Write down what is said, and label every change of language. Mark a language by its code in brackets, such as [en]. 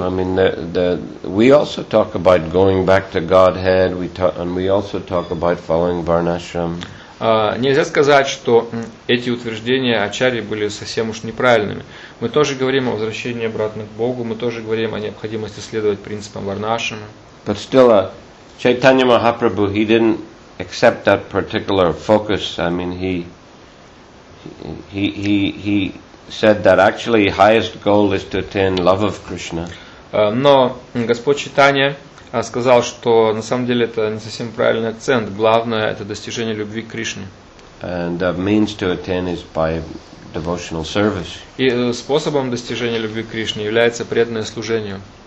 [en] I mean, we also talk about going back to Godhead, we also talk about following Varnashram. [ru] Нельзя сказать, что эти утверждения Ачарьи были совсем уж неправильными. Мы тоже говорим о возвращении обратно к Богу, мы тоже говорим о необходимости следовать принципам Варнашрама. [en] But still, Chaitanya Mahaprabhu, he didn't accept that particular focus. I mean, he said that actually highest goal is to attain love of Krishna. [ru] Но Господь Чайтанья сказал, что на самом деле это не совсем правильный акцент. Главное – это достижение любви к Кришне. [en] And the means to attain is by devotional service. И способом достижения любви к Кришне является преданное служение.